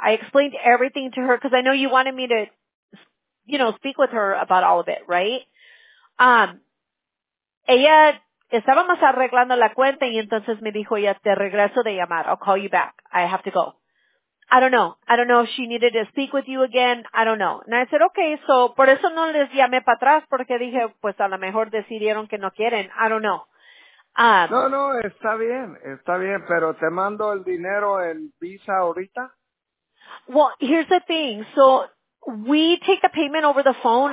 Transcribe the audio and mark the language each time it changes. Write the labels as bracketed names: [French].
[English] I explained everything to her because I know you wanted me to, you know, speak with her about all of it, right? [Spanish] Ella estábamos arreglando la cuenta y entonces me dijo ya te regreso de llamar. [English] I'll call you back. I have to go. I don't know if she needed to speak with you again. I don't know. And I said, okay, so [Spanish] por eso no les llamé para atrás, porque dije, pues a lo mejor decidieron que no quieren. [English] I don't know. [Spanish] No, está bien, pero te mando el dinero en Visa ahorita. [English] Well, here's the thing. So we take the payment over the phone.